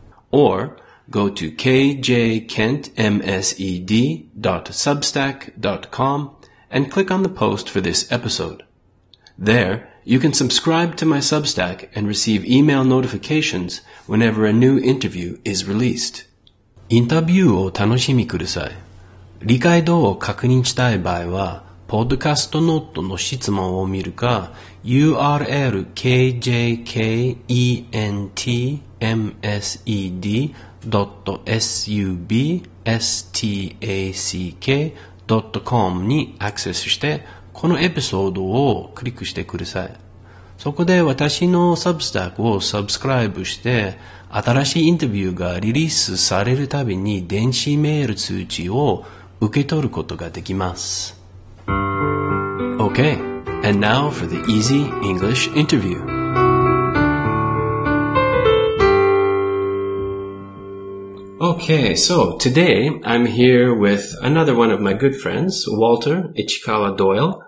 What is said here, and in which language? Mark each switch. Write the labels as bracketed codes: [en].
[en] Or go to kjkentmsed.substack.com and click on the post for this episode. There, you can subscribe to my Substack and receive email notifications whenever a new interview is released. [ja] インタビューを楽しみください。理解度を確認したい場合は、ポッドキャストノートの質問を見るか、urlkjkentmsed.substack.com にアクセスして、このエピソードをクリックしてください。そこで私のサブスタックをサブスクライブして、新しいインタビューがリリースされるたびに電子メール通知を受け取ることができます。 [en] Okay, and now for the easy English interview. Okay, so today I'm here with another one of my good friends, Walter Ichikawa-Doyle.